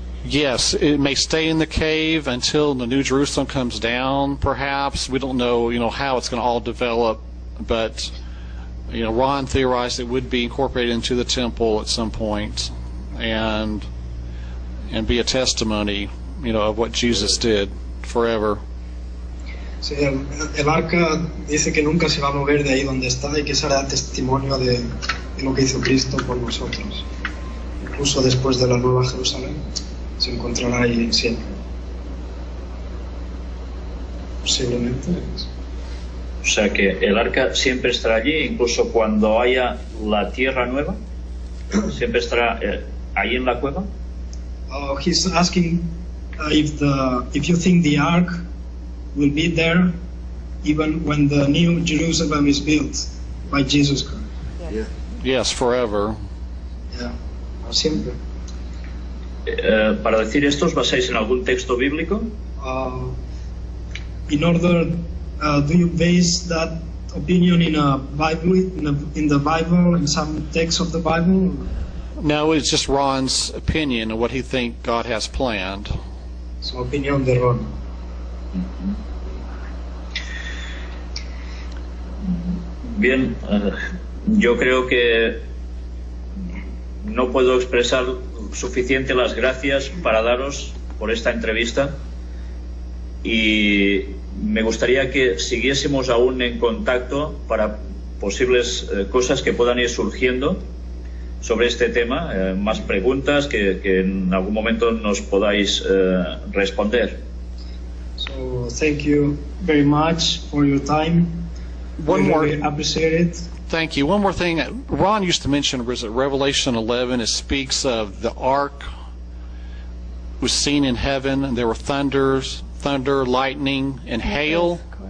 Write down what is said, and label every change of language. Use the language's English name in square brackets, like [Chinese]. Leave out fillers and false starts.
[English] Yes, it may stay in the cave until the New Jerusalem comes down, perhaps. We don't know, you know, how it's going to all develop, but, you know, Ron theorized it would be incorporated into the temple at some point and be a testimony, you know, of what Jesus did forever. [Spanish] Sí, el arca dice que nunca se va a mover de ahí donde está y que será testimonio de lo que hizo Cristo por nosotros. Incluso después de la Nueva Jerusalén, se encontrará ahí en siempre. Posiblemente. O sea que el arca siempre estará allí, incluso cuando haya la tierra nueva, siempre estará ahí en la cueva. [English] He's asking if you think the ark will be there even when the new Jerusalem is built by Jesus Christ. Yes. Yes, forever. Yeah, [Spanish] para siempre. Para decir esto, ¿os basáis en algún texto bíblico? [English] In order, do you base that opinion in a Bible, in the Bible, in some text of the Bible? No, it's just Ron's opinion of what he think God has planned. [Spanish] Su opinión de Ron. Mm-hmm. Bien, yo creo que no puedo expresar suficiente las gracias para daros por esta entrevista y me gustaría que siguiésemos aún en contacto para posibles cosas que puedan ir surgiendo sobre este tema, más preguntas que en algún momento nos podáis responder. [English] So, thank you very much for your time. One more. Really appreciate it. Thank you. One more thing. Ron used to mention, was it Revelation 11? It speaks of the ark was seen in heaven, and there were thunder, lightning, and hail.